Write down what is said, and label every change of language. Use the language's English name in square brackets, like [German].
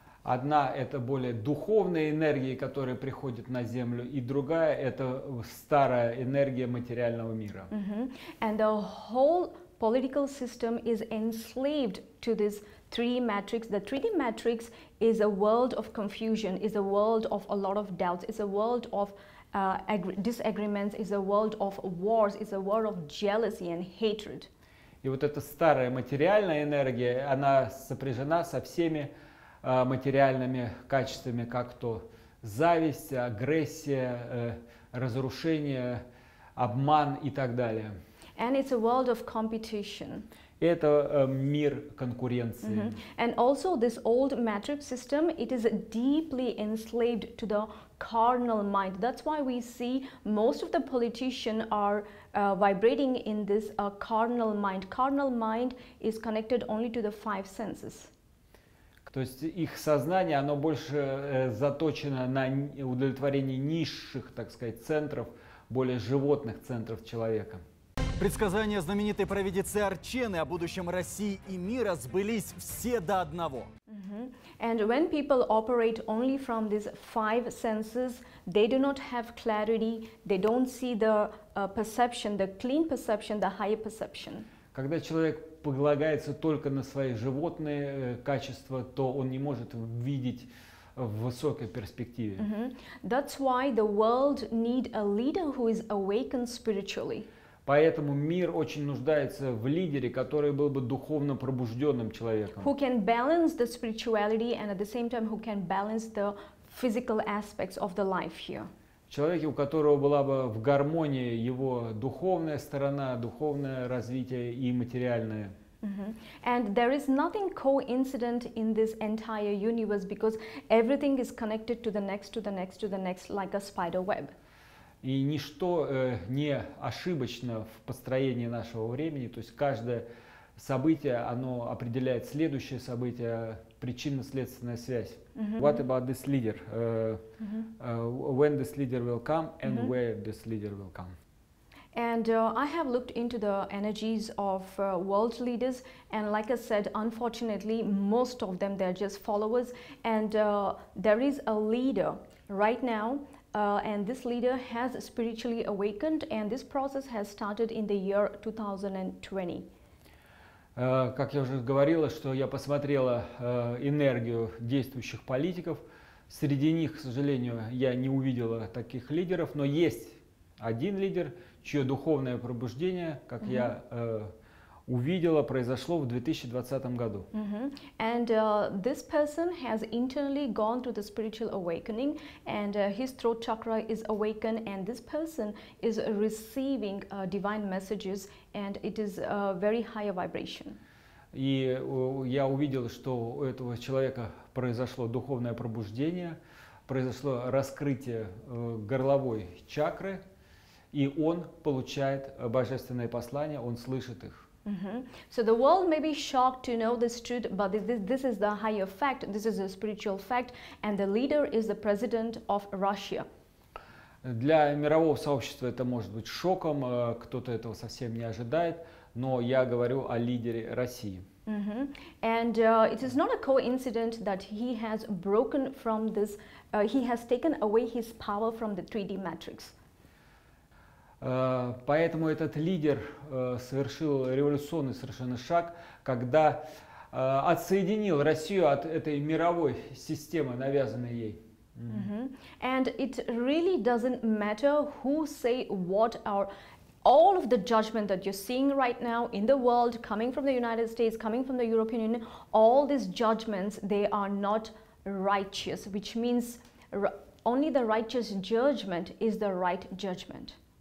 [Russian] Одна это более духовная энергия, которая приходит на Землю, и другая это старая энергия материального мира. [English] And the whole political system is enslaved to this 3D matrix. The 3D matrix is a world of confusion, is a world of a lot of doubts, is a world of disagreements, is a world of wars, is a world of jealousy and hatred. [Russian] И вот эта старая материальная энергия, она сопряжена со всеми материальными качествами, как то зависть, агрессия, разрушение, обман и так далее. [English] And it's a world of competition. [Russian] Это мир конкуренции. [English] And also this old matrix system, it is deeply enslaved to the carnal mind. That's why we see most of the politicians are vibrating in this carnal mind. Carnal mind is connected only to the five senses. [Russian] То есть их сознание, оно больше заточено на удовлетворение низших, так сказать, центров, более животных центров человека. Предсказания знаменитой провидицы Арчены о будущем России и мира сбылись все до одного. [English] And when people operate only from these five senses, they do not have clarity, they don't see the perception, the clean perception, the higher perception. [Russian] Когда человек полагается только на свои животные качества, то он не может видеть в высокой перспективе. [English] That's why the world need a leader who is awakened spiritually. [Russian] Поэтому мир очень нуждается в лидере, который был бы духовно пробужденным человеком. [English] Who can balance the spirituality and at the same time who can balance the physical aspects of the life here. [Russian] Человек, у которого была бы в гармонии его духовная сторона, духовное развитие и материальное. [English] And there is nothing coincident in this entire universe because everything is connected to the next, to the next, to the next, like a spider web. [Russian] И ничто не ошибочно в построении нашего времени, то есть каждое событие, оно определяет следующее событие, причинно-следственная связь. [English] What about this leader? When this leader will come and where this leader will come? And I have looked into the energies of world leaders, and like I said, unfortunately, most of them, they're just followers. And there is a leader right now, and this leader has spiritually awakened, and this process has started in the year 2020. [Russian] Как я уже говорила, что я посмотрела энергию действующих политиков. Среди них, к сожалению, я не увидела таких лидеров, но есть один лидер, чье духовное пробуждение, как я увидела, произошло в 2020 году. [English] And this person has internally gone through the spiritual awakening, and his throat chakra is awakened, and this person is receiving divine messages, and it is a very high vibration. [Russian] И я увидела, что у этого человека произошло духовное пробуждение, произошло раскрытие горловой чакры, и он получает божественные послания, он слышит их. [English] So the world may be shocked to know this truth, but this is the higher fact, this is a spiritual fact, and the leader is the president of Russia. [Russian] Для мирового сообщества это может быть шоком, кто-то этого совсем не ожидает, но я говорю о лидере России. [English] And it is not a coincidence that he has broken from this, he has taken away his power from the 3D matrix. [Russian] Поэтому этот лидер совершил революционный совершенно шаг, когда отсоединил Россию от этой мировой системы, навязанной ей. [English] And it really doesn't matter who say what or all of the judgment that you're seeing right now in the world, coming from the United States, coming from the European Union, all these judgments, they are not righteous, which means only the righteous judgment is the right judgment.